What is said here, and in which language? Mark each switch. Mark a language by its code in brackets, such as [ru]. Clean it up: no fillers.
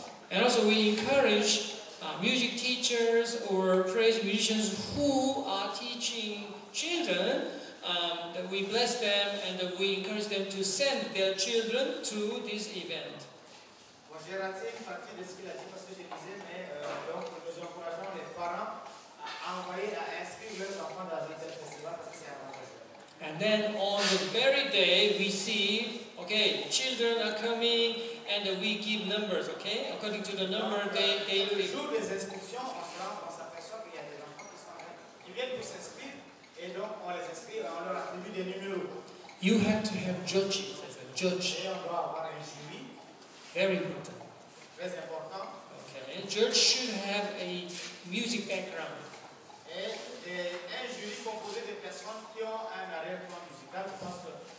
[en] And also we encourage music teachers or praise musicians who are teaching children, that we bless them and that we encourage them to send their children to this event. [fr] J'ai raté une partie de ce qu'il a dit parce que je disais, mais nous encourageons les parents à envoyer, à inscrire leurs enfants dans un tel festival parce que c'est avantageux. [en] And then on the very day, we see, okay, children are coming and we give numbers, okay? According to the number, they [fr] le jour des inscriptions, on s'aperçoit qu'il y a des enfants qui sont là, qui viennent pour s'inscrire, et donc on les inscrit et on leur attribue des numéros. [en] You have to have judges as a judge. [fr] Et on doit avoir un jury. [en] Very important. [fr] Très important. Okay. [en] A judge should have a music background. [fr] Et un jury composé de personnes qui ont un arrière-plan musical, je pense que...